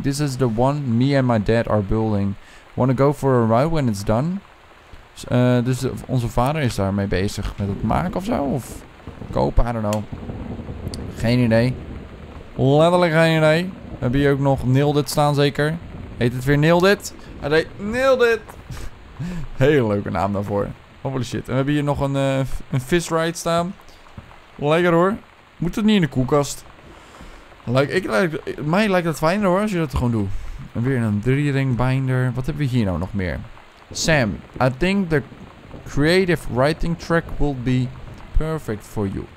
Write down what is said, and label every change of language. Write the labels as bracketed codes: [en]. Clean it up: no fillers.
[en] This is the one me and my dad are building. Wanna go for a ride when it's done? [nl] Dus onze vader is daarmee bezig met het maken ofzo, of kopen, [en] I don't know. [nl] Geen idee. Letterlijk geen idee. Heb je ook nog Nailed It staan zeker? Heet het weer Nailed It? Hij deed Nailed It. Hele leuke naam daarvoor. Holy shit. En we hebben hier nog een Fish Ride staan. Lekker hoor. Moet het niet in de koelkast? Mij lijkt dat fijner hoor als je dat gewoon doet. En weer een 3-ring binder. Wat hebben we hier nou nog meer? [en] Sam, I think the creative writing track will be perfect for you.